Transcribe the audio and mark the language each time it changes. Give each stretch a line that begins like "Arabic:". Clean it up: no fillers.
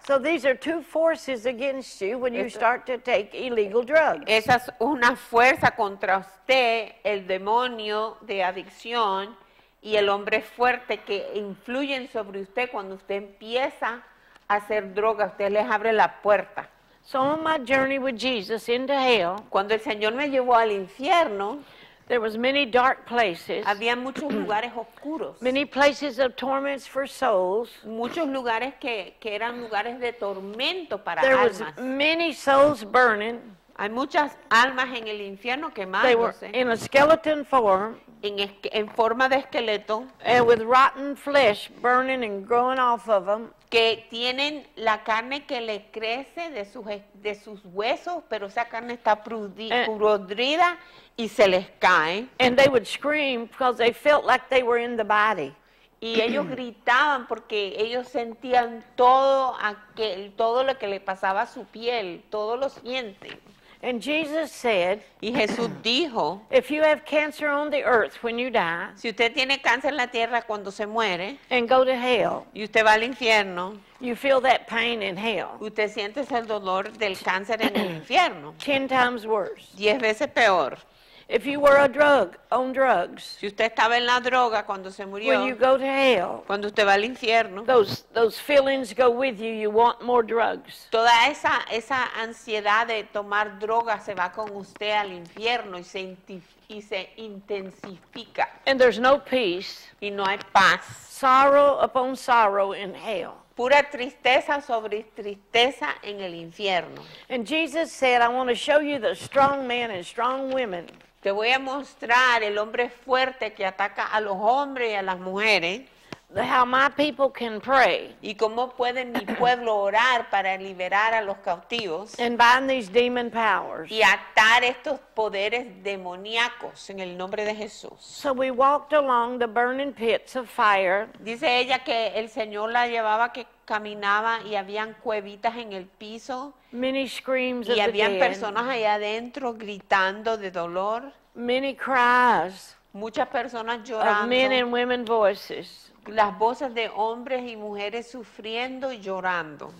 English: So these are two forces against you when you start to take illegal drugs.
Spanish: Esa es una fuerza contra usted, el demonio de adicción y el hombre fuerte que influyen sobre usted cuando usted empieza hacer droga, usted les abre la puerta.
English: So on my journey with Jesus into hell,
Spanish: cuando el Señor me llevó al infierno,
English: there was many dark places,
Spanish: había muchos lugares oscuros,
English: many places of torments for souls,
Spanish: muchos lugares que eran lugares de tormento para
English: there
Spanish: almas.
English: There was many souls burning.
Spanish: Hay muchas almas en el infierno quemándose.
English: They were in a skeleton form.
Spanish: En forma de esqueleto.
English: And with rotten flesh burning and growing off of them.
Spanish: Que tienen la carne que le crece de sus huesos, pero esa carne está pudrida y se les cae.
English: And they would scream because they felt like they were in the body.
Spanish: Y ellos gritaban porque ellos sentían todo lo que le pasaba a su piel, todo lo sienten.
English: And Jesus said,
Spanish: y Jesús dijo,
English: if you have cancer on the earth when you die,
Spanish: si usted tiene cáncer en la tierra cuando se muere,
English: and go to hell,
Spanish: y usted va al infierno,
English: you feel that pain in hell.
Spanish: Usted siente el dolor del cáncer en el infierno.
English: 10 times worse.
Spanish: 10 veces peor.
English: If you were a drug on drugs,
Spanish: si usted estaba en la droga cuando se murió,
English: when you go to hell,
Spanish: cuando usted va al infierno,
English: those feelings go with you. You want more drugs.
Spanish: Toda esa ansiedad de tomar droga se va con usted al infierno y se intensifica.
English: And there's no peace.
Spanish: Y no hay paz.
English: Sorrow upon sorrow in hell.
Spanish: Pura tristeza sobre tristeza en el infierno.
English: And Jesus said, I want to show you the strong men and strong women.
Spanish: Te voy a mostrar el hombre fuerte que ataca a los hombres y a las mujeres.
English: How my people can pray.
Spanish: Y cómo puede mi pueblo orar para liberar a los cautivos.
English: And bind these demon powers.
Spanish: Y atar estos poderes demoníacos en el nombre de Jesús.
English: So we walked along the burning pits of fire.
Spanish: Dice ella que el Señor la llevaba que caminaba y habían cuevitas en el piso.
English: Many screams
Spanish: y habían personas allá adentro gritando de dolor.
English: Many cries.
Spanish: Muchas personas llorando.
English: Of men and women voices.
Spanish: Las voces de hombres y mujeres sufriendo y llorando.